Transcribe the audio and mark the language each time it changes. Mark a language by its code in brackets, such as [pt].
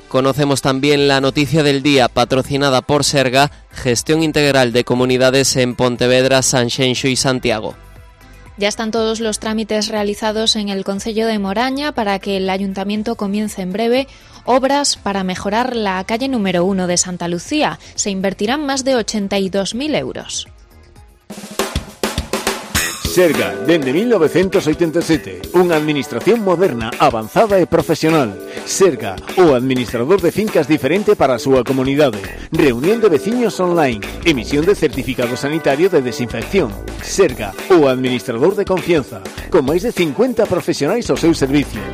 [es] Conocemos también la noticia del día, patrocinada por Serga, gestión integral de comunidades en Pontevedra, Sanxenxo y Santiago. Ya están todos los trámites realizados en el Concello de Moraña para que el Ayuntamiento comience en breve obras para mejorar la calle número 1 de Santa Lucía. Se invertirán más de 82.000 euros. [gl] Serga, dende 1987, unha administración moderna, avanzada e profesional. Serga, o administrador de fincas diferente para a súa comunidade. Reunión de veciños online, emisión de certificado sanitario de desinfección. Serga, o administrador de confianza, con máis de 50 profesionais ao seu servicio.